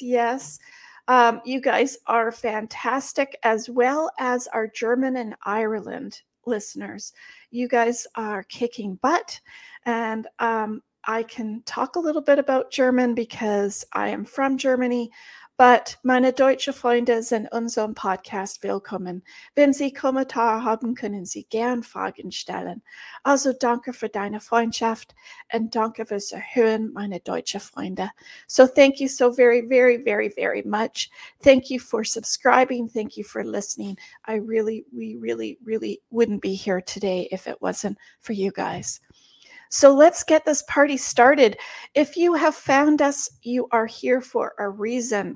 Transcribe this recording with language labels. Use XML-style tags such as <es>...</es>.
<en>Yes, you guys are fantastic, as well as our German and Ireland listeners. You guys are kicking butt, and I can talk a little bit about German because I am from Germany.</en> <de>But meine deutsche Freunde sind unserem Podcast willkommen. Wenn Sie Kommentare haben, können Sie gern Fragen stellen. Also danke für deine Freundschaft und danke fürs Hören, meine deutsche Freunde.</de> <en>So thank you so very, very, very, very much. Thank you for subscribing. Thank you for listening. We really wouldn't be here today if it wasn't for you guys. So let's get this party started. If you have found us, you are here for a reason.</en>